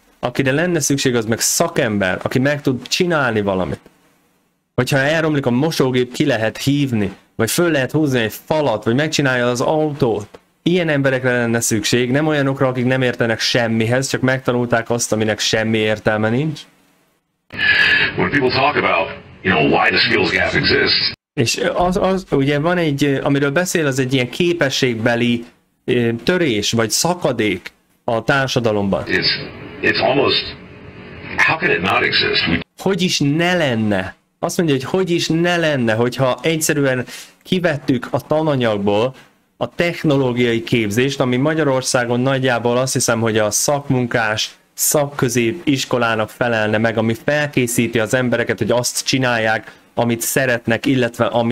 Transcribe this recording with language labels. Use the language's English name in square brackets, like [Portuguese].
[Hungarian] Akire lenne szükség, az meg szakember, aki meg tud csinálni valamit. Hogyha elromlik a mosógép, ki lehet hívni, vagy föl lehet húzni egy falat, vagy megcsinálja az autót. Ilyen emberekre lenne szükség, nem olyanokra, akik nem értenek semmihez, csak megtanulták azt, aminek semmi értelme nincs. [English] When people talk about, you know, why the skills gap exists. [Hungarian] És az ugye van egy, amiről beszél, az egy ilyen képességbeli törés, vagy szakadék a társadalomban. [English] It's almost, how can it not exist? [Hungarian] Hogy is ne lenne? Azt mondja, hogy is ne lenne, hogyha egyszerűen kivettük a tananyagból a technológiai képzést, ami Magyarországon nagyjából azt hiszem, hogy a szakmunkás, szakközép iskolának felelne meg, ami felkészíti az embereket, hogy azt csinálják, amit szeretnek, illetve